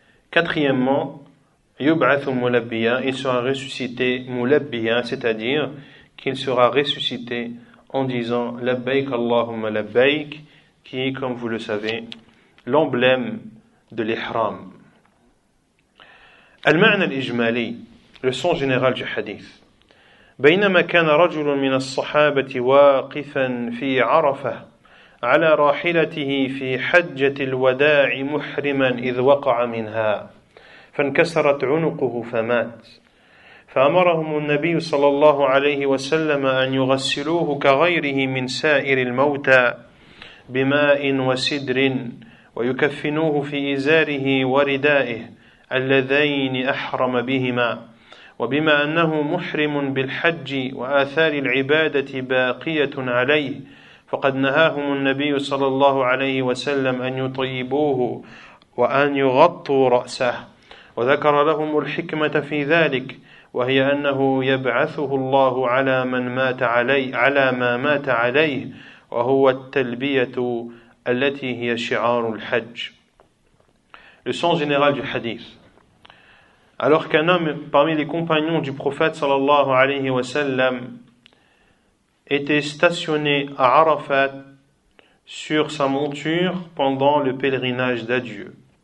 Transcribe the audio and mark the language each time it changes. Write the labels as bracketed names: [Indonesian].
[French] Quatrièmement, [Arabic] yub'athu mulabbiya, [French] il sera ressuscité mulabbiya, c'est-à-dire qu'il sera ressuscité en disant [Arabic] labbayk allahumma labbayk, [French] qui est, comme vous le savez, l'emblème de l'ihram. [Arabic] Al-ma'na al-ijmali, [French] Leçon générale du hadith. [Arabic] بينما كان رجل من الصحابة واقفا في عرفة على راحلته في حجة الوداع محرما إذ وقع منها فانكسرت عنقه فمات فأمرهم النبي صلى الله عليه وسلم أن يغسلوه كغيره من سائر الموتى بماء وسدر ويكفنوه في إزاره وردائه اللذين أحرم بهما وبما أنه محرم بالحج وآثار العبادة باقية عليه فقد نهاهم النبي صلى الله عليه وسلم أن يطيبوه وأن يغطوا رأسه وذكر لهم الحكمة في ذلك وهي أنه يبعثه الله على من مات عليه على ما مات عليه وهو التلبية التي هي شعار الحج. [French] Le sens général du hadith. Alors qu'un homme parmi les compagnons du prophète [Arabic] sallallahu alayhi wa sallam [French] était stationné à Arafat sur sa monture pendant le pèlerinage d'adieu.